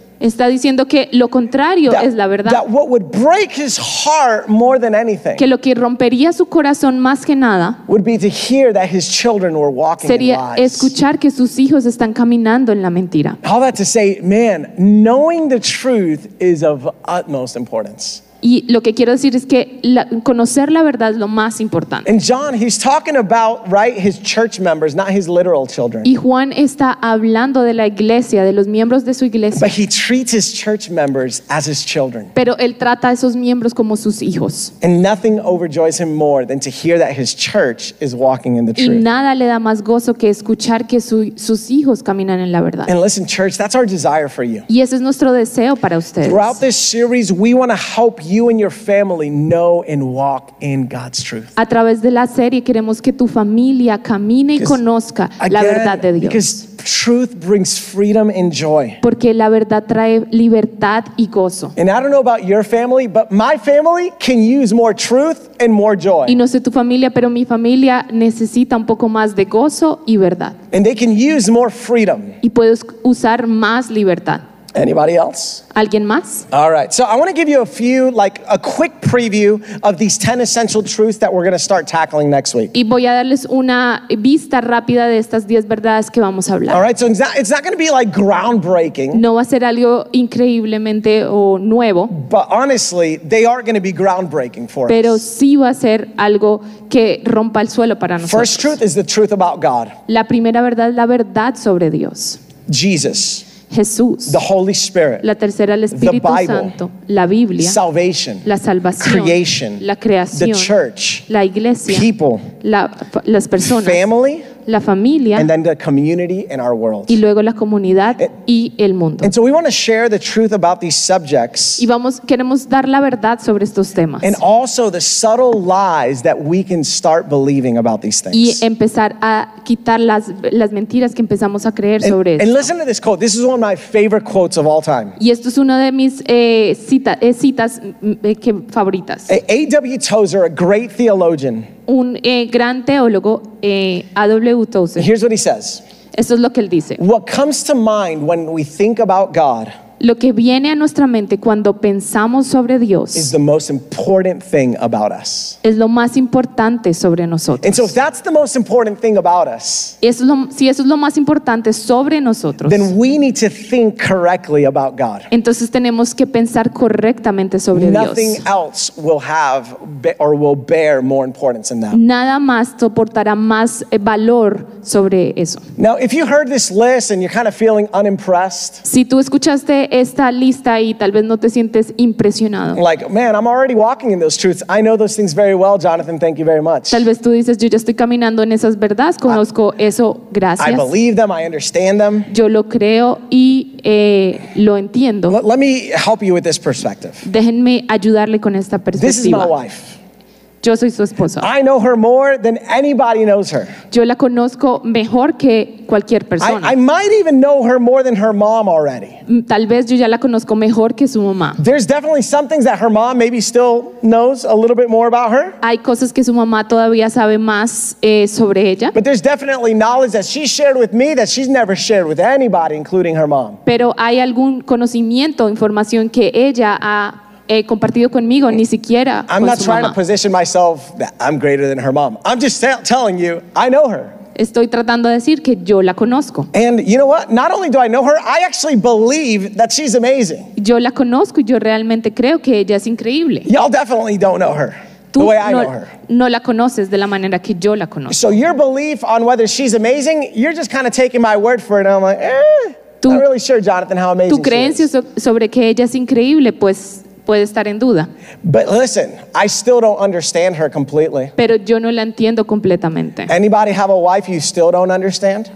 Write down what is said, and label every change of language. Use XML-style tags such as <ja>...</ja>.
<es>Está diciendo que lo contrario es la verdad.</es> <en>That what would break his heart more than anything.</en> <es>Que lo que rompería su corazón más que nada.</es> <en>Would be to hear that his children were walking in lies.</en> <es>Sería escuchar que sus hijos están caminando en la mentira.</es> <en>All that to say, man, knowing the truth is of utmost importance.</en> <es>Y lo que quiero decir es que conocer la verdad es lo más importante.</es> <en>And John, he's talking about, right, his church members, not his literal children.</en> <es>Y Juan está hablando de la iglesia, de los miembros de su iglesia.</es> <en>But he treats his church members as his children.</en> <es>Pero él trata a esos miembros como sus hijos.</es> <en>And nothing overjoys him more than to hear that his church is walking in the truth.</en> <es>Y nada le da más gozo que escuchar que sus hijos caminan en la verdad.</es> <en>And listen, church, that's our desire for you.</en> <es>Y ese es nuestro deseo para ustedes.</es> <en>Throughout this series, we want to help you and your family know and walk in God's truth.</en> <es>A través de la serie queremos que tu familia camine y conozca la verdad de Dios.</es> <en>Because truth brings freedom and joy.</en> <es>Porque la verdad trae libertad y gozo.</es> <en>And I don't know about your family, but my family can use more truth and more joy.</en> <es>Y no sé tu familia, pero mi familia necesita un poco más de gozo y verdad.</es> <en>And they can use more freedom.</en> <es>Y puedes usar más libertad.</es> <en>Anybody else?</en> <es>¿Alguien más?</es> <en>All right. So I want to give you a few, like a quick preview of these 10 essential truths that we're going to start tackling next week.</en> <es>Y voy a darles una vista rápida de estas 10 verdades que vamos a hablar.</es> <en>All right. So it's not going to be like groundbreaking.</en> <es>No va a ser algo increíblemente o nuevo.</es> <en>But honestly, they are going to be groundbreaking for us.</en> <es>Pero sí va a ser algo que rompa el suelo para nosotros.</es> <en>First truth is the truth about God.</en> <es>La primera verdad es la verdad sobre Dios.</es> <en>Jesus.</en> <es>Jesús,</es> <en>the Holy Spirit,</en> <es>la tercera, el Espíritu</es> <en>the Bible,</en> <es>Santo, la Biblia,</es> <en>salvation,</en> <es>la salvación,</es> <en>creation,</en> <es>la creación,</es> <en>the church,</en> <es>la iglesia,</es> <en>people,</en> <es>las personas,</es> <en>family,</en> <es>la familia,</es> <en>and then the community and our world.</en> <es>Y luego la comunidad y el mundo.</es> <en>And so we want to share the truth about these subjects.</en> <es>Y vamos, queremos dar la verdad sobre estos temas.</es> <en>And also the subtle lies that we can start believing about these things.</en> <es>Y empezar a quitar las mentiras que empezamos a creer sobre esto.</es> <en>And listen to this quote. This is one of my favorite quotes of all time.</en> <es>Y esto es una de mis citas favoritas.</es> <en>A.W. Tozer, a great theologian.</en> <es>Gran teólogo, A.W. Tozer.</es> <en>Here's what he says.</en> <es>Esto es lo que él dice.</es> <en>What comes to mind when we think about God?</en> <es>Lo que viene a nuestra mente cuando pensamos sobre Dios</es> <en>is the most important thing about us.</en> <es>Es lo más importante sobre nosotros.</es> <en>And so if that's the most important thing about us,</en> <es>si eso es lo más importante sobre nosotros,</es> <en>then we need to think correctly about God.</en> <es>Entonces tenemos que pensar correctamente sobre</es> <en>Nothing</en> <es>Dios.</es> <en>Nothing else will have or will bear more importance than that.</en> <es>Nada más soportará más valor sobre eso.</es> <en>Now, if you heard this list and you're kind of feeling unimpressed,</en> <es>si tú escuchaste esta lista y tal vez no te sientes impresionado.</es> <en>Like, man, I'm already walking in those truths. I know those things very well, Jonathan. Thank you very much.</en> <es>Tal vez tú dices, yo ya estoy caminando en esas verdades, conozco eso, gracias.</es> <en>I believe them, I understand them.</en> <es>Yo lo creo y lo entiendo.</es> <en>Let me help you with this perspective.</en> <es>Déjenme ayudarle con esta perspectiva.</es> <en>This is my wife.</en> <es>Yo soy su esposa.</es> <en>I know her more than anybody knows her.</en> <es>Yo la conozco mejor que cualquier persona.</es> <en>I might even know her more than her mom already.</en> <es>Tal vez yo ya la conozco mejor que su mamá.</es> <en>There's definitely some things that her mom maybe still knows a little bit more about her.</en> <es>Hay cosas que su mamá todavía sabe más sobre ella.</es> <en>But there's definitely knowledge that she shared with me that she's never shared with anybody, including her mom.</en> <es>Pero hay algún conocimiento, información que ella ha compartido conmigo, ni siquiera con su mamá.</es> <en>I'm not trying to position myself that I'm greater than her mom. I'm just telling you, I know her.</en> <es>Estoy tratando de decir que yo la conozco.</es> <en>And you know what? Not only do I know her, I actually believe that she's amazing.</en> <es>Yo la conozco y yo realmente creo que ella es increíble.</es> <en>Y'all definitely don't know her.</en> <es>Tú</es> <en>the way I know her.</en> <es>No la conoces de la manera que yo la conozco.</es> <en>So your belief on whether she's amazing, you're just kind of taking my word for it. And I'm like, I'm not really sure, Jonathan, how amazing she is.</en> <es>Tu creencia sobre que ella es increíble, pues puede estar en duda.</es> <en>But listen, I still don't understand her completely.</en> <es>Pero yo no la entiendo completamente.</es> <en>Anybody have a wife you still don't understand?</en>